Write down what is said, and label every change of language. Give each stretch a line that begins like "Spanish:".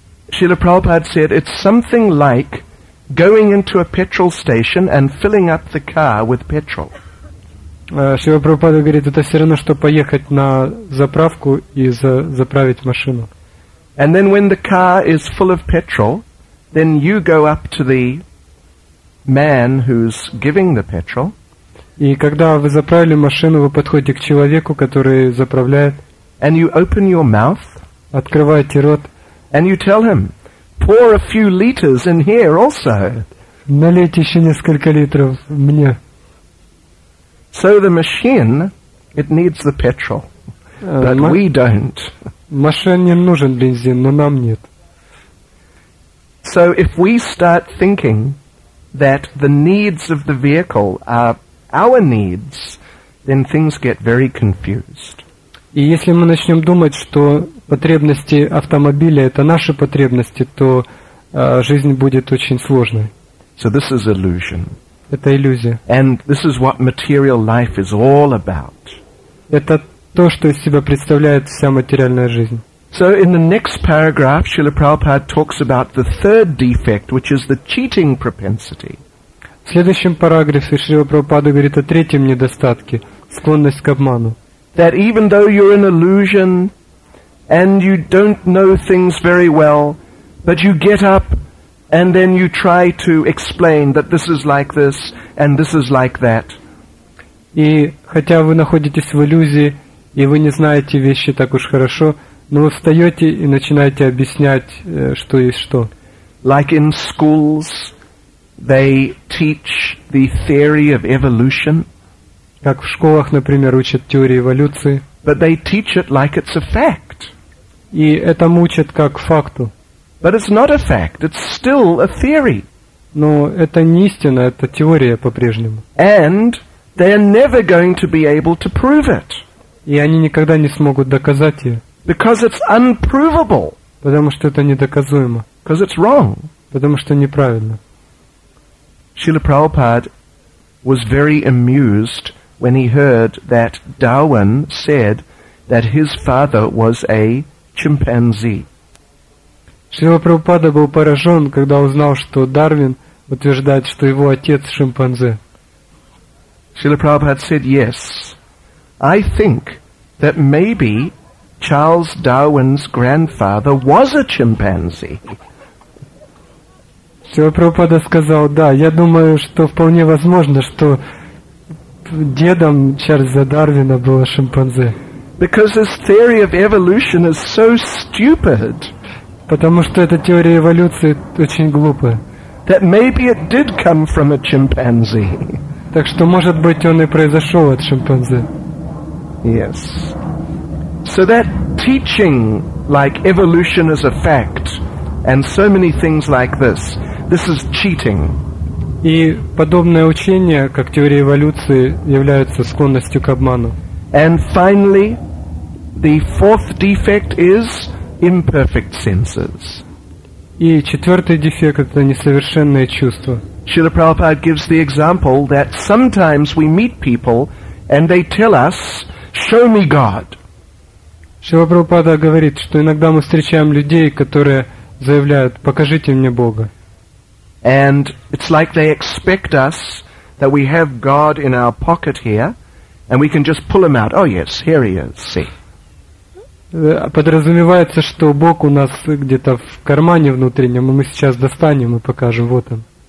English: Srila Prabhupada said, it's something like going into a petrol station and filling up the car with petrol.
Russian: Srila Prabhupada говорит, это все равно, что поехать на заправку и заправить машину.
English: And then when the car is full of petrol, then you go up to the man who's giving the petrol.
Russian: И когда вы заправили машину, вы подходите к человеку, который заправляет.
English: And you open your mouth.
Russian: Открываете рот.
English: And you tell him, pour a few liters in here also.
Russian: Налейте еще несколько литров мне.
English: So the machine, it needs the petrol, but we don't.
Russian: Машине нужен бензин, но нам нет.
English: So if we start thinking that the needs of the vehicle are our needs, then things get very confused.
Russian: И если мы начнем думать, что потребности автомобиля – это наши потребности, то жизнь будет очень сложной.
English: So this is illusion.
Russian: Это иллюзия.
English: And this is what material life is all about.
Russian: Это то, что из себя представляет вся материальная жизнь.
English: So in the next paragraph, Srila Prabhupada talks about the third defect, which is the cheating propensity.
Russian: В следующем параграфе Шрила Прабхупада говорит о третьем недостатке – склонность к обману.
English: That even though you're an illusion, and you don't know things very well, but you get up, and then you try to explain that this is like this, and this is like that.
Russian: И хотя вы находитесь в иллюзии, и вы не знаете вещи так уж хорошо, но вы встаете и начинаете объяснять, что есть что.
English: Like in schools, they teach the theory of evolution.
Russian: Как в школах, например, учат теории эволюции.
English: But they teach it like it's a fact.
Russian: И это учат как факту.
English: But it's not a fact, it's still a theory.
Russian: Но это не истина, это теория по-прежнему.
English: And they're never going to be able to prove it.
Russian: И они никогда не смогут доказать ее.
English: Because it's unprovable.
Russian: Потому что это недоказуемо.
English: Because it's wrong.
Russian: Потому что неправильно.
English: Srila Prabhupada was very amused when he heard that Darwin said that his father was a chimpanzee.
Russian: Шрила Прабхупада был поражен, когда узнал, что Дарвин утверждает, что его отец шимпанзе.
English: Шрила Прабхупада said, yes, I think that maybe Charles Darwin's grandfather was a chimpanzee.
Russian: Шрила Прабхупада сказал, да, я думаю, что вполне возможно, что дедом Чарльза Дарвина было шимпанзе.
English: Because his theory of evolution is so stupid.
Russian: Потому что эта теория эволюции очень глупая.
English: That maybe it did come from a chimpanzee.
Russian: Так что, может быть, он и произошел от шимпанзе.
English: Yes. So that teaching, like evolution is a fact, and so many things like this, this is cheating.
Russian: И подобное учение, как теория эволюции, является склонностью к обману.
English: And finally, the fourth defect is imperfect senses.
Russian: И четвертый дефект – это несовершенные чувства.
English: Srila Prabhupada gives the example that sometimes we meet people and they tell us, show me God.
Russian: Srila Prabhupada говорит, что иногда мы встречаем людей, которые заявляют, покажите мне Бога.
English: And it's like they expect us that we have God in our pocket here and we can just pull him out. Oh yes, here he is, see.
Russian: Подразумевается, что Бог у нас где-то в кармане внутреннем, и мы сейчас достанем и покажем, вот он.